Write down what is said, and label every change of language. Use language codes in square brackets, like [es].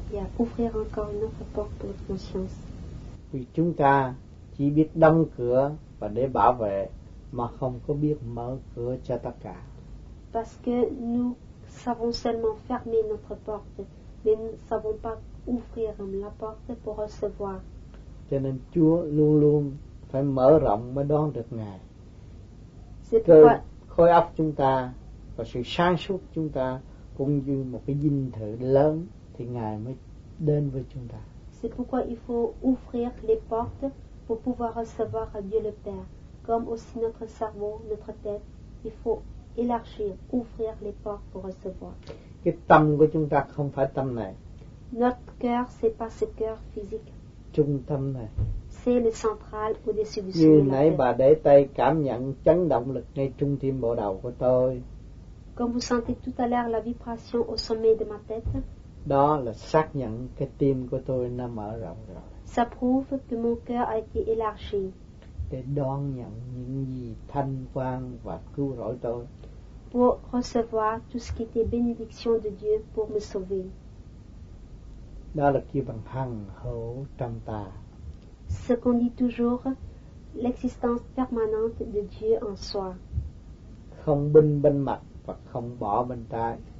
[fr] Yeah, ouvrir encore une autre porte pour votre conscience. [vi] Vì chúng ta chỉ biết đóng cửa và để bảo vệ, mà không có biết mở cửa cho tất cả. [fr] Parce que nous savons seulement fermer notre porte, mais nous ne savons pas ouvrir la porte pour recevoir. [vi] Cho nên Chúa luôn luôn phải mở rộng mới đón được Ngài. [fr] C'est pourquoi [vi] khối óc chúng ta và sự sáng suốt chúng ta cũng như một cái dinh thự lớn thì Ngài mới đến với chúng ta. [fr] C'est pourquoi il faut ouvrir les portes pour pouvoir recevoir Dieu le Père, comme aussi notre cerveau, notre tête, il faut élargir, ouvrir les portes pour recevoir. [vi] Cái tâm của chúng ta không phải tâm này. [fr] Notre cœur, c'est pas ce cœur physique. [vi] trung tâm này. [fr] C'est le central au-dessus du [vi] như [fr] sommet. [vi] Nãy bà để tay cảm nhận chấn động lực ngay trung tâm bộ đầu của tôi. [fr] Comme vous sentez tout à l'heure la vibration au sommet de ma tête. [vi] Đó là xác nhận cái tim của tôi nó mở rộng rồi. [fr] Ça prouve que mon cœur a été élargi. [vi] Để đón nhận những gì thanh quang và cứu rỗi tôi. [fr] Pour recevoir tout ce qui était bénédiction de Dieu pour me sauver. [vi] Đó là kêu bằng hằng hữu trong ta. [fr] Ce qu'on dit toujours, l'existence permanente de Dieu en soi. [vi] Không binh bên mặt và không bỏ bên trái.